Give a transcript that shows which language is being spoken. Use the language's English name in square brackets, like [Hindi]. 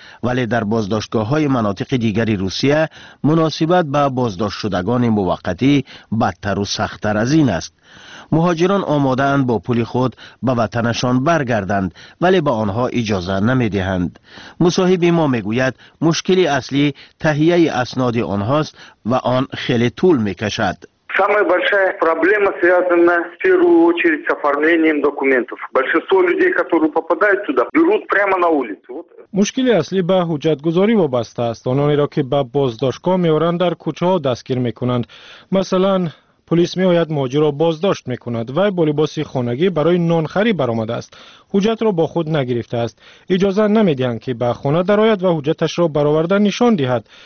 [Persian] ولی در بازداشتگاه های مناطق دیگری روسیه مناسبت به بازداشت شدگان موقتی بدتر و سختر از این است. مهاجران آماده اند با پول خود به وطنشان برگردند، ولی به آنها اجازه نمی دهند. مصاحب ما می گوید مشکل اصلی تهیه اسناد آنهاست و آن خیلی طول می کشد. [Russian] Самая большая проблема связана в первую очередь с оформлением документов. Большинство людей, которые попадают туда, берут прямо на улицу. [Tajik] Мушкили асли ба худжатгузори вобаста аст. Онони ро ки ба боздошко меоранд дар кучаҳо дастгир мекунанд. [Persian] Масалан پلیس می آید مهاجر را بازداشت می کند و با لباس خانگی برای نانخری برآمده است. حجت را با خود نگرفته است. اجازه نمی دهند که به خانه درآید و حجتش را برآورده نشان دهد.